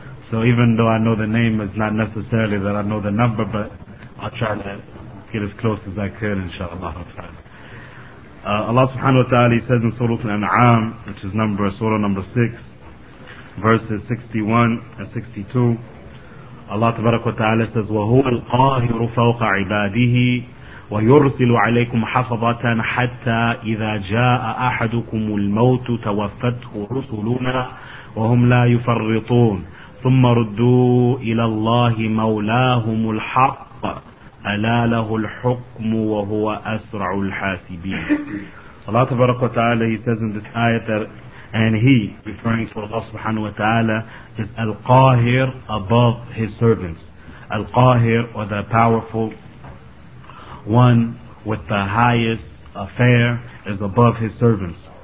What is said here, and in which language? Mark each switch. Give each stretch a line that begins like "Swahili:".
English: So even though I know the name, it's not necessarily that I know the number, but I'll try to get as close as I could, inshaAllah. Allah subhanahu wa ta'ala says in Surah Al-An'am, which is surah number 6, verses 61 and 62, Allah tabarak wa ta'ala says,
Arabic: وَهُوَ الْقَاهِرُ فَوْقَ عِبَادِهِ ويرسل عليكم حفظة حتى إذا جاء أحدكم الموت توفته رسلنا وهم لا يفرطون ثم ردوا إلى الله مولاهم الحق ألا له الحكم وهو أسرع الحاسبين.
English: Allah تبارك وتعالى, he says in this ayat that, and he, referring to Allah subhanahu wa ta'ala, is Al-Qahir above his servants. Al-Qahir, or the powerful one with the highest affair, is above his servants.